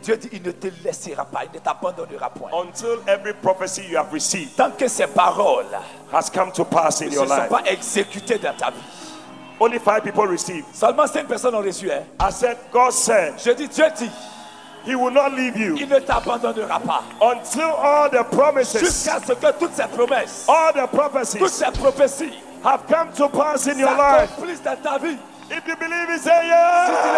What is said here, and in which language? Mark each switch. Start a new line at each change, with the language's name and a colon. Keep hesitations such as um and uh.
French: Dieu dit il ne te laissera pas, il ne t'abandonnera point.
English: Until every prophecy you have received.
French: Tant que ces paroles
English: has come to pass
French: que in que your, se
English: your life.
French: Ne sont pas exécutées dans ta vie.
English: Only five people received.
French: Seulement cinq personnes ont reçu.
English: Hein? I said God said.
French: Je dis Dieu dit.
English: He will not leave you.
French: Il ne t'abandonnera pas.
English: Until all the promises.
French: Jusqu'à ce que toutes ces promesses.
English: All the prophecies.
French: Toutes ces prophéties.
English: Have come to pass in your life. Please
French: dans ta vie.
English: If you believe it, say yes.